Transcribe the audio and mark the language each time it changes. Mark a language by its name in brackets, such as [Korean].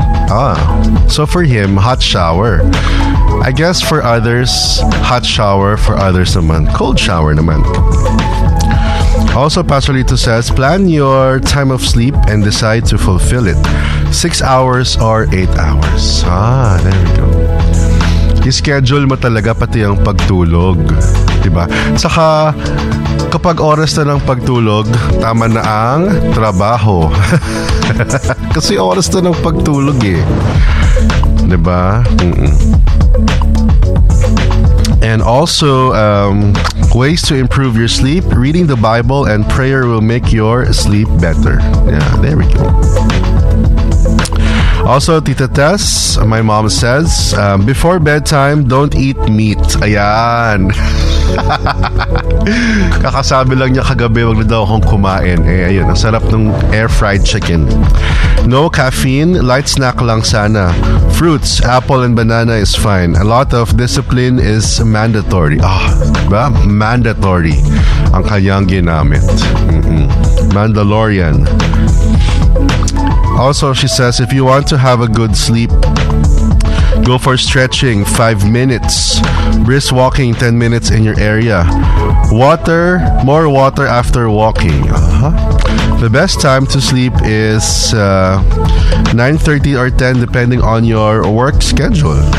[English] Ah, so for him, hot shower. I guess for others, hot shower, for others naman, cold shower naman. Also, Pastor Lito says, plan your time of sleep and decide to fulfill it. 6 hours or 8 hours. Ah, there we go. [Filipino] I-schedule mo talaga pati ang pagtulog. Diba? Saka, kapag oras na ng pagtulog, tama na ang trabaho. Kasi oras na ng pagtulog eh. Diba? Mm-mm. [English] And also, ways to improve your sleep. Reading the Bible and prayer will make your sleep better. Yeah, there we go. Also, Tita Tess, my mom says, before bedtime, don't eat meat. Ayan. [Filipino] Kakasabi lang niya kagabi, wag na daw akong kumain. Eh, ayun, ang sarap ng air-fried chicken. [English] No caffeine, light snack [Filipino] lang sana. [English] Fruits, apple and banana is fine. A lot of discipline is mandatory. [Filipino] Ah, diba? Mandatory ang kanyang ginamit. [English] Mandalorian. Also, she says, if you want to have a good sleep, go for stretching 5 minutes, brisk walking 10 minutes in your area. Water, more water after walking. The best time to sleep is 9:30 or 10 depending on your work schedule.